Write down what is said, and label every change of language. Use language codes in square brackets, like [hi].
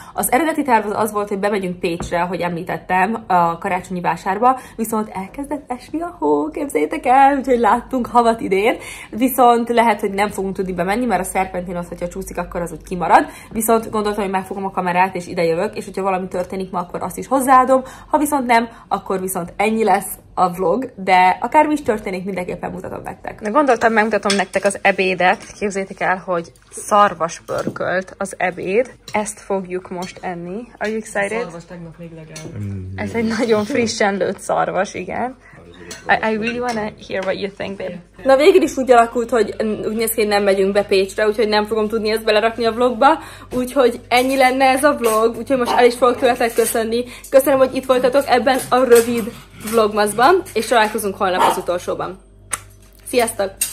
[hu] Az eredeti terv az volt, hogy bemegyünk Pécsre, ahogy említettem, a karácsonyi vásárba, viszont elkezdett esni a hó, képzeljétek el, úgyhogy láttunk havat idén, viszont lehet, hogy nem fogunk tudni bemenni, mert a szerpentin az, hogyha csúszik, akkor az úgy kimarad, viszont gondoltam, hogy megfogom a kamerát, és ide jövök, és hogyha valami történik ma, akkor azt is hozzáadom, ha viszont nem, akkor viszont ennyi lesz a vlog, de akármi is történik, mindenképpen mutatom nektek. Na gondoltam, megmutatom nektek az ebédet. Képzeljétek el, hogy szarvaspörkölt az ebéd. Ezt fogjuk most enni. [en] Are you excited? [hu] A szarvas tegnap még legalább. Ez egy nagyon frissen lőtt szarvas, igen. [en] I really wanna hear what you think, babe. [hu] Na végül is úgy alakult, hogy úgy néz ki, hogy nem megyünk be Pécsre, úgyhogy nem fogom tudni ezt belerakni a vlogba. Úgyhogy ennyi lenne ez a vlog, úgyhogy most el is fogok tőletek köszönni. Köszönöm, hogy itt voltatok ebben a rövid vlogmaszban, és találkozunk holnap az utolsóban. Sziasztok!